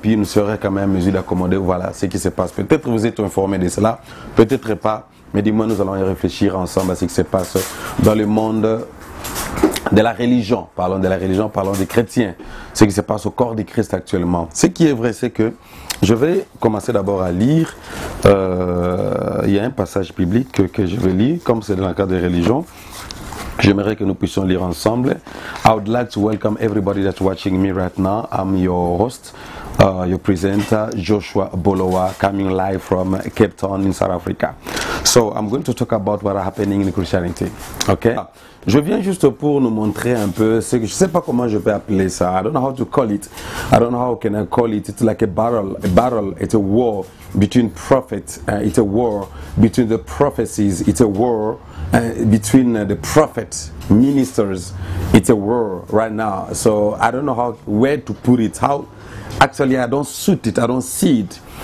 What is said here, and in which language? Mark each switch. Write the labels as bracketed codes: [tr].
[fr] Et puis, nous serons quand même à mesure d'accommoder, voilà, ce qui se passe. Peut-être vous êtes informé de cela, peut-être pas, mais dis-moi, nous allons y réfléchir ensemble à ce qui se passe dans le monde de la religion, parlons de la religion, parlons des chrétiens, ce qui se passe au corps du Christ actuellement. Ce qui est vrai, c'est que je vais commencer d'abord à lire, il y a un passage biblique que je vais lire, comme c'est dans le cadre de religion. J'aimerais que nous puissions lire ensemble. [en] I would like to welcome everybody that's watching me right now. I'm your host, your presenter, Joshua Bolloy, coming live from Cape Town in South Africa. So I'm going to talk about what is happening in Christianity. Okay? [fr] Je viens juste pour nous montrer un peu ce que je sais pas comment je peux appeler ça. [en] I don't know how to call it. I don't know how can I call it. It's like a battle. It's a war between prophets. It's a war between the prophecies. It's a war between the prophets, ministers. It's a war right now. So I don't know where to put it. How? Actually, I don't suit it. I don't see it.